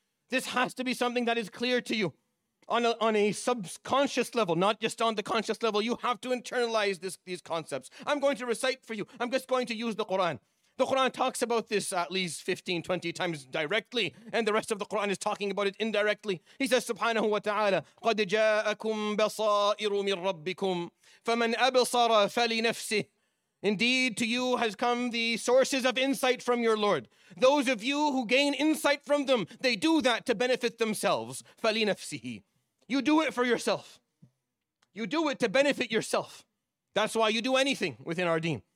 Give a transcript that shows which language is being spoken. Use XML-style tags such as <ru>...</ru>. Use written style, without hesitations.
<en>This has to be something that is clear to you. On a subconscious level, not just on the conscious level, you have to internalize these concepts. I'm going to recite for you. I'm just going to use the Quran. The Quran talks about this at least 15, 20 times directly, and the rest of the Quran is talking about it indirectly. He says,</en> <ar>Subhanahu wa ta'ala, قَدْ جَاءَكُمْ بَصَائِرُ مِنْ رَبِّكُمْ فَمَنْ أَبْصَرَ فَلِنَفْسِهِ.</ar> <en>Indeed, to you has come the sources of insight from your Lord. Those of you who gain insight from them, they do that to benefit themselves.</en> <ar>فَلِنَفْسِهِ.</ar> <en>You do it for yourself. You do it to benefit yourself. That's why you do anything within our deen.</en>